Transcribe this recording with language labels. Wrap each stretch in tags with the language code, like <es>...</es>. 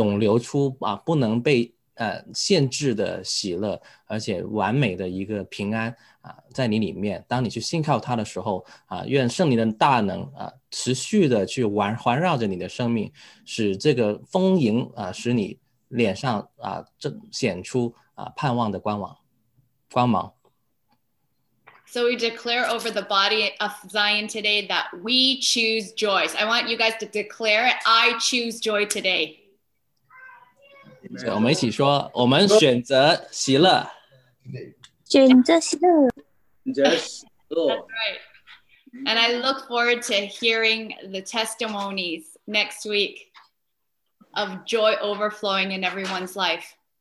<zh>愿神就是赐人有盼望，还有灵感，还有充满的盼望的去充满你，使你涌流出不能被 限制的喜乐，而且完美的一个平安，在你里面，当你去信靠他的时候，愿圣灵的大能持续的去环绕着你的生命，使这个丰盈使你脸上显出盼望的光芒。</zh> <en>So we declare over the body of Zion today that we choose joy. I want you guys to declare it. I choose joy today.</en> <zh>我们一起说，我们选择喜乐，选择喜乐。</zh> <en>That's right. And I look forward to hearing the testimonies next week of joy overflowing in everyone's life.</en>